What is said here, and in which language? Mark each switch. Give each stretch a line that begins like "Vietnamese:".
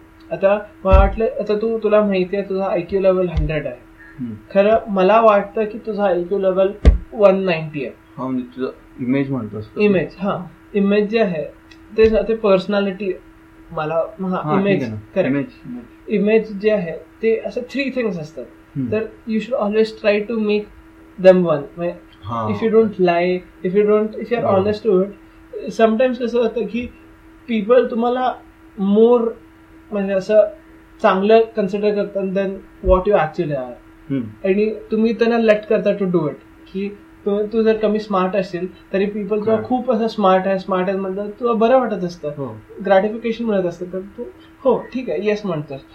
Marathi: आता मला वाटलं आता तू तुला माहिती आहे तुझा आय क्यू लेवल 100 आहे, खरं मला वाटतं की तुझा आय क्यू लेवल 190 आहे. इमेज म्हणतो इमेज, हा इमेज जे आहे ते पर्सनॅलिटी मला इमेज इमेज जे आहे ते असं थ्री थिंग्स असतात.
English: तर you should always try to make them one. If you don't lie, if you don't, if you are honest to it.
Marathi: Sometimes कसं होतं की पीपल तुम्हाला मोर म्हणजे असं चांगलं कन्सिडर करतात
English: Then what you actually are.
Marathi: आणि तुम्ही त्यांना लेट करता
English: to do it,
Marathi: की तू जर कमी स्मार्ट असेल तरी पीपल तुला खूप असं स्मार्ट आहे स्मार्ट आहे म्हणतात, तुला बरं वाटत असतं, ग्रॅटिफिकेशन मिळत असतं, तर तू हो ठीक आहे येस म्हणतोस.